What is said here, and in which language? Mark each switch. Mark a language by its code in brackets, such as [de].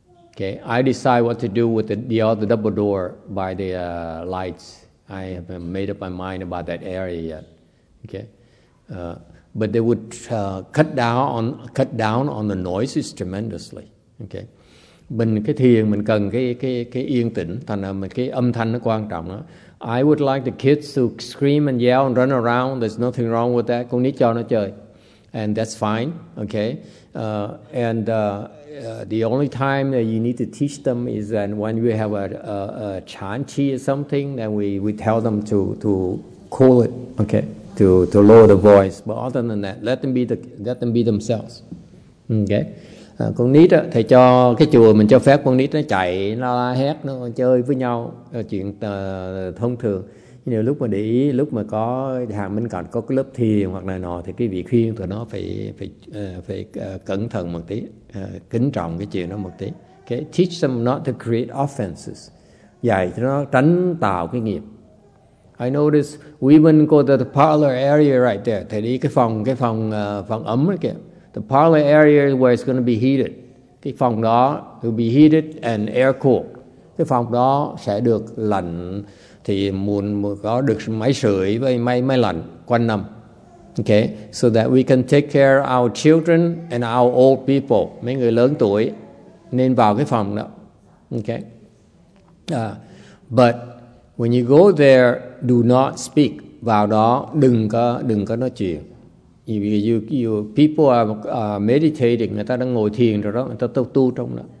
[en] Okay, I decide what to do with the other double door by the lights. I haven't made up my mind about that area yet, okay? But they would cut down on the noises tremendously. Okay. [vi] Mình cái thiền mình cần cái yên tĩnh, thành ra cái âm thanh nó quan trọng đó. [en] I would like the kids to scream and yell and run around. There's nothing wrong with that. [vi] Con nít cho nó chơi. [en] And that's fine. Okay. The only time that you need to teach them is that when we have a chanchi or something, then we tell them to cool it. Okay. To lower the voice. But other than that, let them be themselves. Okay. [vi] Con nít á, thầy cho cái chùa mình cho phép con nít nó chạy, nó la hét, nó chơi với nhau, chuyện thông thường. Nhưng mà lúc mà để ý, lúc mà có hàng bên cạnh có cái lớp thiền hoặc này nọ thì cái vị khuyên tụi nó phải cẩn thận một tí, kính trọng cái chuyện đó một tí. Okay. [en] Teach them not to create offenses. [vi] Dạy cho nó tránh tạo cái nghiệp. [en] I notice women go to the parlor area right there. [vi] Thầy đi cái phòng phòng ấm đó kìa. [en] The parlor area where it's going to be heated. [vi] Cái phòng đó [en] will be heated and air cool. [vi] Cái phòng đó sẽ được lạnh thì muốn có được máy sưởi với máy lạnh quanh năm. [en] Okay, so that we can take care of our children and our old people. [vi] Mấy người lớn tuổi nên vào cái phòng đó. Okay. [en] But when you go there, do not speak. [vi] Vào đó đừng có nói chuyện. [en] You people are meditating, [vi] người ta đang ngồi thiền rồi đó, người ta tu trong đó.